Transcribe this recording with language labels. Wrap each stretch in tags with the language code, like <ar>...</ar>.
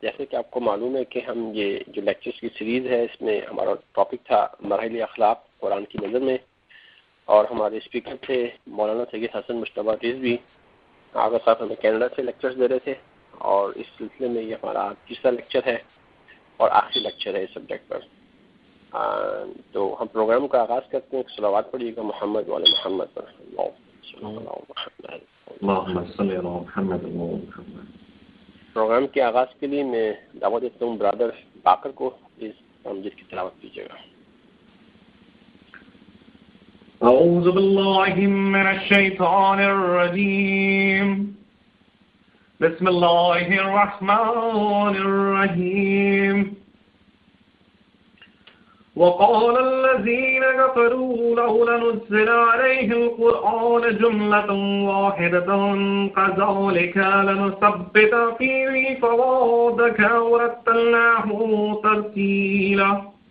<hi>जैसे कि आपको मालूम है कि हम ये जो लेक्चर्स की सीरीज है, इसमें हमारा टॉपिक था मराहिल अखलाक कुरान की नज़र में, और हमारे स्पीकर थे मौलाना सैयद हसन मुशतबा रिज़वी भी, आगे साथ हमें कनाडा से लेक्चर्स दे रहे थे, और इस सिलसिले में ये हमारा तीसरा लेक्चर है और आखिरी लेक्चर है इस सब्जेक्ट पर। तो हम प्रोग्राम का आगाज करते हैं, सलावात पढ़िएगा मोहम्मद वाले मोहम्मद पर। प्रोग्राम</hi> <ar>اللهم صل على محمد وعلى محمد</ar> <hi>के आगाज के लिए मैं दावा देता हूँ ब्रादर बाकर को, प्लीज तमजीद की तलावत कीजिएगा।</hi> <ar>أعوذ بالله من الشيطان الرجيم بسم الله الرحمن الرحيم وقال الذين كفروا لولا نزل عليه القرآن جملة واحدة كذلك لنثبت فيه فؤادك ورتلناه ترتيلا</ar>